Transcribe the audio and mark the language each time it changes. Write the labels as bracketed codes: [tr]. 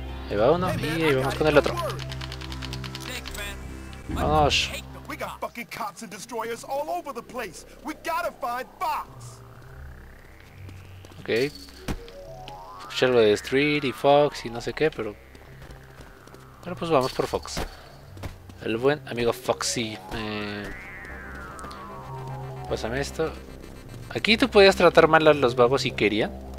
[es] Ahí va uno y ahí vamos con el otro. Vamos. [en] We got fucking cops and destroyers all over the place. We gotta find Fox. Okay. [es] Escuché algo de Street y Fox y no sé qué, pero. Bueno, pues vamos por Fox. El buen amigo Foxy. Pásame esto. Aquí tú podías tratar mal a los vagos si querían.